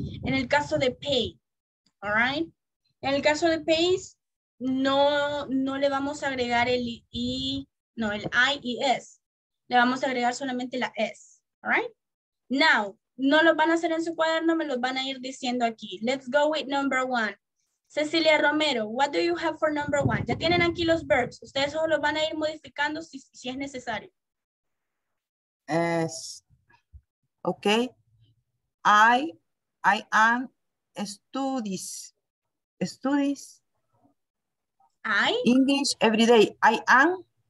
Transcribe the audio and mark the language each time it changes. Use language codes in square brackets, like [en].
[es] En el caso de pay, all right? En el caso de pay, no le vamos a agregar el IES. Le vamos a agregar solamente la S, all right? Now, no lo van a hacer en su cuaderno, me lo van a ir diciendo aquí. [en] Let's go with number one. Cecilia Romero, what do you have for number one? [es] Ya tienen aquí los verbs. Ustedes solo los van a ir modificando si es necesario. [en] Okay. I am studies. I? English every day. I am.